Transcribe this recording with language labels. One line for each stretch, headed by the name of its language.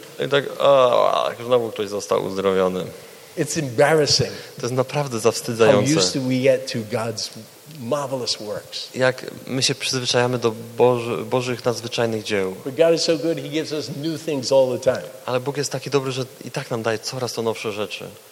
Polish: I tak, znowu ktoś został uzdrowiony.
English: It's embarrassing.
Polish: To jest naprawdę zawstydzające.
English: How used to we get to God's marvelous works.
Polish: Jak my się przyzwyczajamy do Bożych nadzwyczajnych dzieł.
English: But God is so good, he gives us new things all the time.
Polish: Ale Bóg jest taki dobry, że i tak nam daje coraz to nowsze rzeczy.